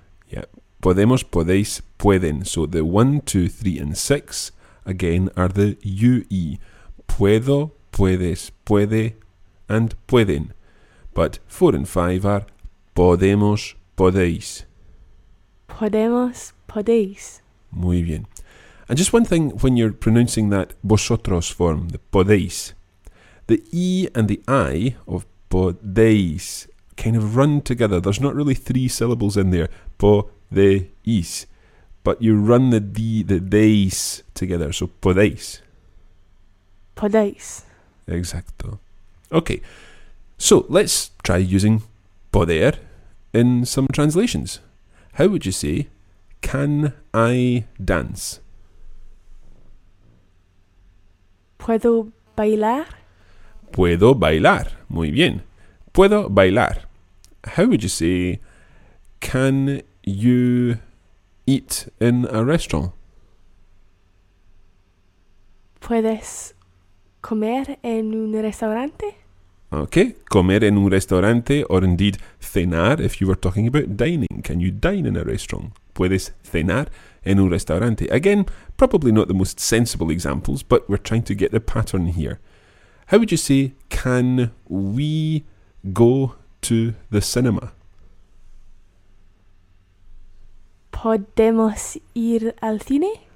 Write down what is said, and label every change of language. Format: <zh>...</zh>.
<es>Yeah, podemos, podéis, pueden.</es> <en>So the 1, 2, 3, and 6 again are the UE.</en> <es>Puedo, puedes, puede, and pueden.</es> <en>But 4 and 5 are podemos, podéis.</en> <es>Podemos, podéis. Muy bien.</es> <en>And just one thing when you're pronouncing that vosotros form, the podéis, the E and the I of bodies kind of run together. There's not really three syllables in there, bodies, but you run the days together, so bodies. Bodies.</en> <es>Exacto.</es> <en>Okay, so let's try using poder in some translations. How would you say, can I dance?</en> <es>Puedo bailar. Puedo bailar. Muy bien. Puedo bailar.</es> <en>How would you say, can you eat in a restaurant?</en> <es>Puedes comer en un restaurante.</es> <en>Okay.</en> <es>Comer en un restaurante,</es> <en>or indeed cenar, if you were talking about dining. Can you dine in a restaurant?</en> <es>Puedes cenar en un restaurante.</es> <en>Again, probably not the most sensible examples, but we're trying to get the pattern here. How would you say, can we go to the cinema?</en> <es>Podemos ir al cine?</es>